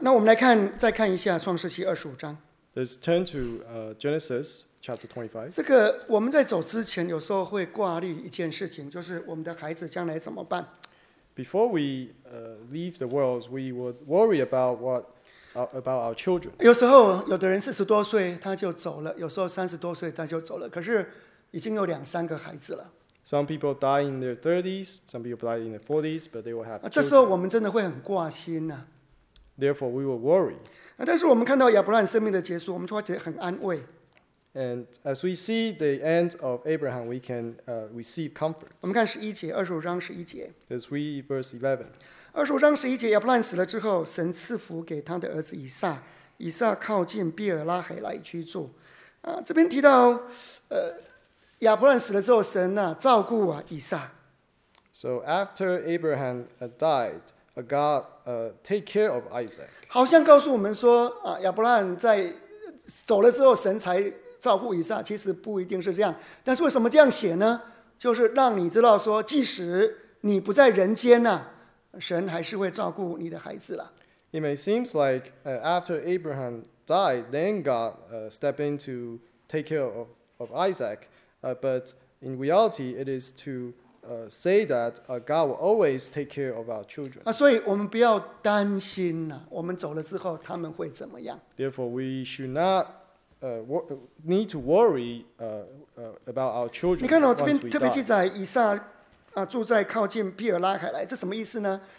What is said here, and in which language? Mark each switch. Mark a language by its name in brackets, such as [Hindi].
[Chinese] 那我们来看，再看一下《创世纪》二十五章。 [English] Let's turn to Genesis chapter 25. [Chinese] 这个我们在走之前，有时候会挂虑一件事情，就是我们的孩子将来怎么办。 [English] Before we leave the world, we would worry about what about our children. [Chinese] 有时候有的人四十多岁他就走了，有时候三十多岁他就走了，可是已经有两三个孩子了。 [English] Some people die in their 30s, some people die in their 40s, but they will have children. [Chinese] 这时候我们真的会很挂心啊。 [English] Therefore, we will worry. [Chinese] 但是我们看到亚伯兰生命的结束，我们会觉得很安慰。 [English] And as we see the end of Abraham, we can receive comfort. [Chinese] 我们看十一节，二十五章十一节。 [English] Let's read verse 11. [Chinese] 二十五章十一节，亚伯兰死了之后，神赐福给他的儿子以撒，以撒靠近比尔拉海来居住。这边提到，亚伯兰死了之后，神照顾以撒。 [English] So after Abraham died, God take care of Isaac. [Chinese] 好像告诉我们说，亚伯兰在走了之后，神才照顾以撒。其实不一定是这样。但是为什么这样写呢？就是让你知道说，即使你不在人间神还是会照顾你的孩子了。 [English] It may seems like after Abraham died, then God step in to take care of Isaac. But in reality, it is to say that God will always take care of our children. [Chinese] 所以我们不要担心我们走了之后他们会怎么样。 [English] Therefore, we should not need to worry about our children. [Chinese] 你看这边特别记载以撒住在靠近比尔拉海来，这什么意思呢？